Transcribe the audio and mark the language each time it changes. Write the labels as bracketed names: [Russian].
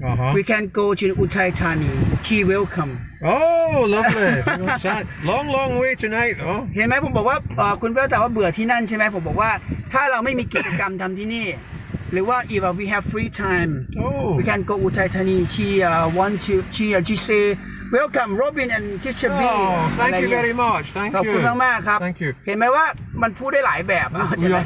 [English] Uh-huh. We can go to Uthai Thani. She welcome. Oh, lovely. long, long way tonight. Oh. [Thai] เห็นไหมผมบอกว่าคุณเบลตาว่าเบื่อที่นั่นใช่ไหมผมบอกว่าถ้าเราไม่มีกิจกรรมทำที่นี่หรือว่า [English] if we have free time, oh. we can go Uthai Thani. She want to. She say welcome, Robin and Teacher B. Oh, thank you very much. Thank you. [Thai] ขอบคุณมากครับ [English] Thank you. [Thai] เห็นไหมว่ามันพูดได้หลายแบบใช่ไหม